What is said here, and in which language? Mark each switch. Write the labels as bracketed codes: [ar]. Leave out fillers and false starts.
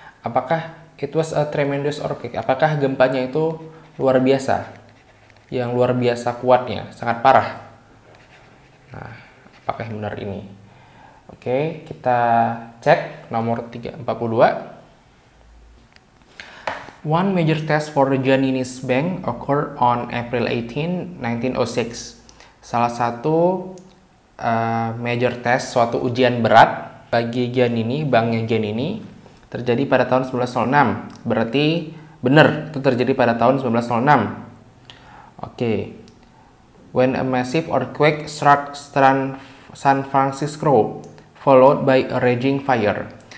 [id] Apakah [en] it was a tremendous earthquake? [id] Apakah gempanya itu luar biasa? Yang luar biasa kuatnya, sangat parah. Nah, apakah yang benar ini? Oke, kita cek nomor 342. [en] One major test for the Giannini's Bank occurred on April 18, 1906. [id] Salah satu major test, suatu ujian berat bagi Giannini, banknya Giannini, terjadi pada tahun 1906. Berarti benar, itu terjadi pada tahun 1906. Oke. Okay. [en] When a massive earthquake struck San Francisco, followed by a raging fire.